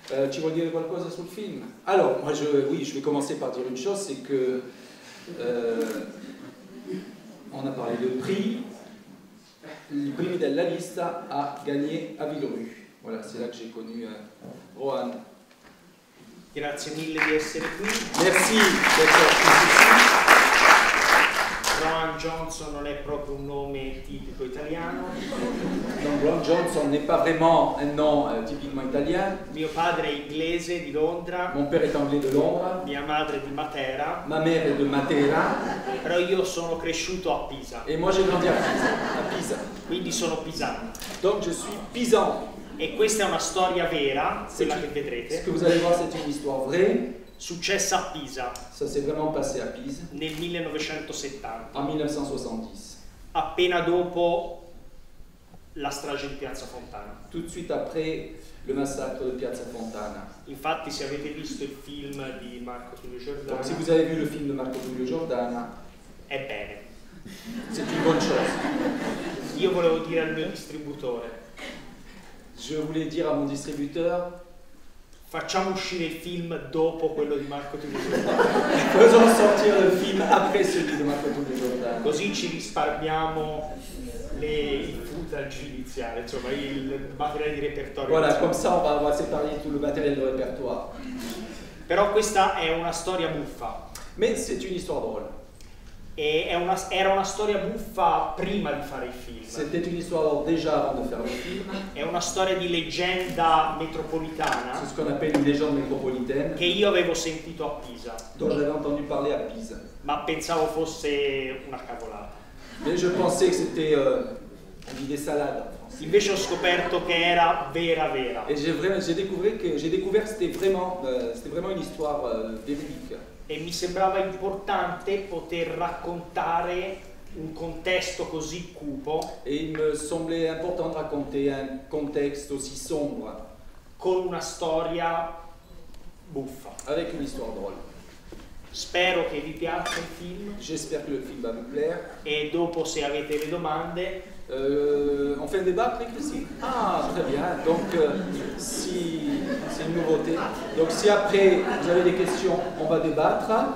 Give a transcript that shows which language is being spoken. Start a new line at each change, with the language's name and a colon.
French: Tu veux dire quelque chose sur le film? Alors, moi, je vais commencer par dire une chose, c'est que on a parlé de prix. Le prix della Vista a gagné à Villerue. Voilà, c'est là que j'ai connu Rohan.
Italian: Grazie mille di essere qui.
French: Merci d'être qui.
Italian: Rohan Johnson non è proprio un nome tipico italiano.
French: Non, Rohan Johnson n'est pas vraiment un nom typiquement italien.
Italian: Mio padre è inglese di Londra.
French: Mon père est anglais de Londres.
Italian: Mia madre è di Matera.
French: Ma mère est de Matera.
Italian: Però io sono cresciuto a Pisa.
French: Et moi j'ai grandi a Pisa.
Italian: Quindi sono pisano.
French: Donc je suis pisan.
Italian: E questa è una storia vera, quella che vedrete.
French: Ce que vous allez voir, c'est une histoire vraie.
Italian: Successa a Pisa.
French: Ça s'est vraiment passé à Pisa.
Italian: Nel 1970.
French: En 1970.
Italian: Appena dopo la strage di Piazza Fontana.
French: Tout de suite après le massacre de Piazza Fontana.
Italian: Infatti, se avete visto il film di Marco Tullio Giordana.
French: Donc, si vous avez vu le film de Marco Tullio Giordana.
Italian: Ebbene.
French: C'est une bonne chose.
Italian: Io volevo dire al mio distributore.
French: Je voulais dire à mon distributeur,
Italian: facciamo uscire il film dopo quello di Marco Tullio Giordano.
French: Faisons sortir le film après celui de Marco Tullio Giordano.
Italian: Così ci risparmiamo il footage iniziale, insomma, il materiale di repertorio.
French: Voilà, come ça on va avoir séparé tout le matériel de répertoire.
Italian: Però questa è una storia buffa.
French: Mais c'est une histoire drôle.
Italian: E era una storia buffa prima di fare il film.
French: C'était une histoire déjà avant de faire le film.
Italian: È una storia di leggenda metropolitana.
French: C'est ce qu'on appelle une légende métropolitaine.
Italian: Che io avevo sentito a Pisa.
French: Dont j'avais entendu parler à Pisa.
Italian: Ma pensavo fosse una cavolata.
French: Mais je pensais que c'était une idée salade.
Italian: Invece ho scoperto che era vera vera.
French: Et j'ai découvert que c'était vraiment une histoire véridique.
Italian: E mi sembrava importante poter raccontare un contesto così cupo. E mi semblait importante raccontare un contesto così sombre. Con una storia buffa.
French: Avec une histoire drôle.
Italian: Spero che vi piaccia il film.
French: J'espère que le film va vous plaire.
Italian: E dopo, se avete le domande.
French: On fait un débat après Christy? Ah, très bien. Donc, si c'est une nouveauté. Donc, si après vous avez des questions, on va débattre.